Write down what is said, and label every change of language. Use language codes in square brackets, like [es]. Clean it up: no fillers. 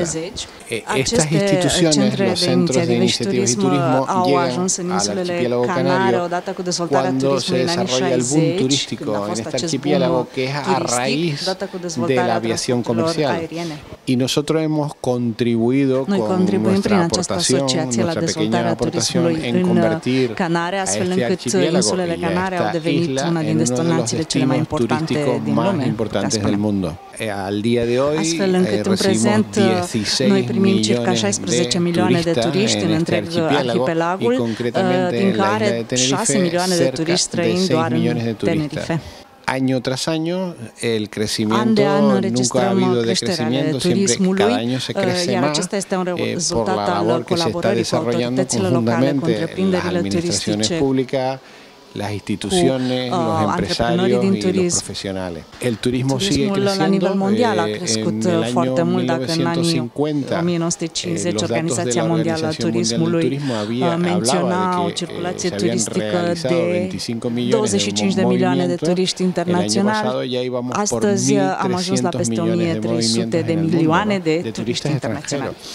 [es] Estas instituciones, los centros de iniciativas y turismo, llegan al archipiélago canario cuando se desarrolla el boom turístico en este archipiélago, que es a raíz de la aviación comercial. Y nosotros hemos contribuido con nuestra aportación, nuestra pequeña aportación, en convertir a este [ro] insulele Canare au devenit una din destinațiile cele mai importante din lume, [es] importantes del mundo. Al día de hoi, [ro] astfel încât în prezent noi primim circa 16 milioane de turiști în întreg arhipelagul, din care 6 milioane de turiști străini doar în Tenerife. [es] Año tras año, el crecimiento, nunca ha habido decrecimiento, siempre cada año se crece más por la labor que se está desarrollando conjuntamente en las administraciones públicas las instituciones, los empresarios y los profesionales. El turismo sigue creciendo. [ro] A nivel mundial ha crescut foarte mult, dacă în anii 1950 Organizația Mondială a Turismului menționa o circulație turistică de 25 de milioane de turiști internaționali. Astăzi am ajuns la peste 1.300 de milioane de turiști internaționali.